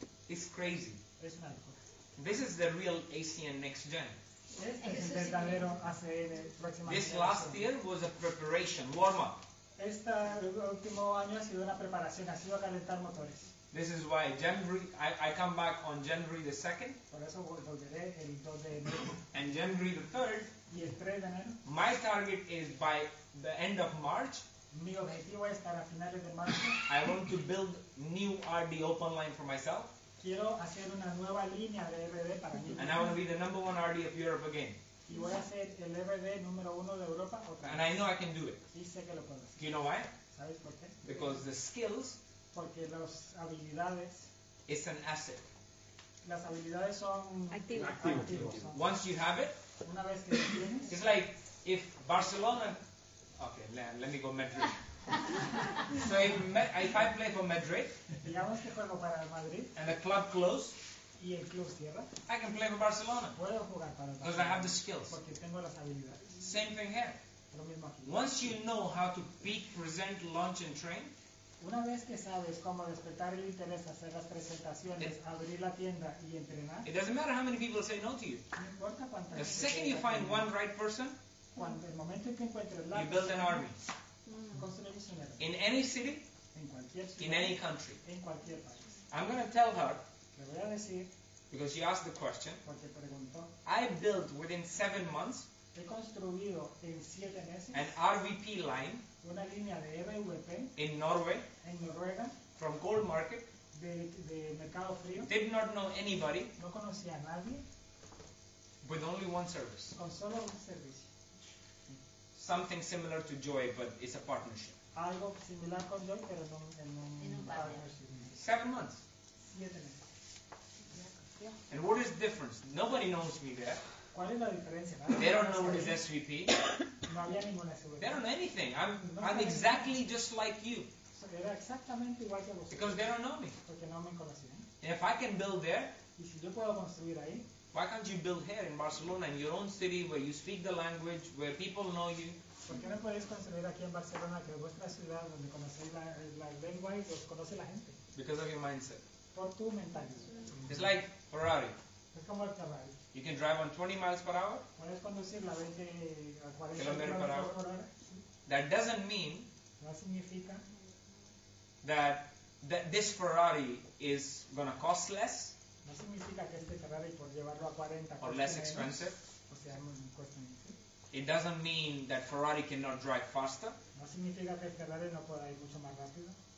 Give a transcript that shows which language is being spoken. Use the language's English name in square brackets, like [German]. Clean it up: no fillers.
[English] It's crazy. This is the real ASEAN next gen. This last year was a preparation, warm up. [Spanish] Este último año ha sido una preparación, ha sido calentar motores. [English] This is why January, I come back on January the 2nd. [Spanish] Por eso volveré el 2 de enero. [English] And January the 3rd. [Spanish] Y el 3 de enero. [English] My target is by the end of March. [Spanish] Mi objetivo es estar a finales de marzo. [English] I want to build new RD open line for myself. [Spanish] Quiero hacer una nueva línea de RD para mí. [English] And I want to be the number one RD of Europe again. [Spanish] Y voy a ser el RD número uno de Europa otra vez. [English] And I know I can do it. [Spanish] Y sé que lo puedo hacer. [English] Do you know why? [Spanish] ¿Sabes por qué? [English] Because the skills. [Spanish] Porque las habilidades. [English] It's an asset. [Spanish] Las habilidades son activos. [English] Once you have it. [Spanish] Una vez que lo tienes. [English] It's like if Barcelona. Okay, let me go Madrid. So if I play for Madrid. [Spanish] Digamos que juego para Madrid. [English] And the club close. [Spanish] Y el club cierra. [English] I can play for Barcelona. [Spanish] Puedo jugar para Barcelona. [English] Because I have the skills. [Spanish] Porque tengo las habilidades. [English] Same thing here. [Spanish] Lo mismo aquí. [English] Once you know how to pitch, present, launch, and train. [Spanish] Una vez que sabes cómo despertar el interés, hacer las presentaciones, abrir la tienda y entrenar. [English] It doesn't matter how many people say no to you. [Spanish] No importa cuántas personas. [English] The second you find one right person, [Spanish] cuando el momento en que encuentres la, [English] you build an army. [Spanish] Construimos un ejército. [English] In any city, [Spanish] en cualquier ciudad, [English] in any country, [Spanish] en cualquier país. [English] I'm going to tell her, [Spanish] le voy a decir, [English] because she asked the question, [Spanish] porque preguntó, [English] I built within 7 months, [Spanish] he construido en 7 meses, [English] an RVP line. [Spanish] Una línea de EVP [English] in Norway, [Spanish] en Noruega, [English] from cold market, [Spanish] de mercado frío, [English] did not know anybody, [Spanish] no conocía a nadie, [English] with only one service, [Spanish] con solo un servicio, [English] something similar to Joy, but it's a partnership. [Spanish] Algo similar con Joy, pero en un partnership. [English] 7 months. [Spanish] 7 meses. [English] And what is the difference? Nobody knows me there. [Spanish] ¿Cuál es la diferencia? [English] They don't know what is SVP. [Spanish] No había ninguna SVP. [English] They don't know anything. I'm exactly just like you. [Spanish] Era exactamente igual que vosotros. [English] Because they don't know me. [Spanish] Porque no me conocían. [English] And if I can build there, [Spanish] y si yo puedo construir ahí, [English] why can't you build here in Barcelona, in your own city, where you speak the language, where people know you? [Spanish] ¿Por qué no podéis construir aquí en Barcelona, que es vuestra ciudad, donde conocéis la lengua y os conoce la gente? [English] Because of your mindset. [Spanish] Por tu mentalidad. [English] It's like Ferrari. [Spanish] Es como el Ferrari. [English] You can drive on 20 miles per hour. [Spanish] Puedes conducir la 20 a 40 kilómetros por hora. [English] That doesn't mean. [Spanish] No significa. [English] That this Ferrari is gonna cost less. [Spanish] No significa que este Ferrari por llevarlo a 40. [English] Or less expensive. [Spanish] O sea, cuesta menos. [English] It doesn't mean that Ferrari cannot drive faster. [Spanish] No significa que el Ferrari no pueda ir mucho más rápido.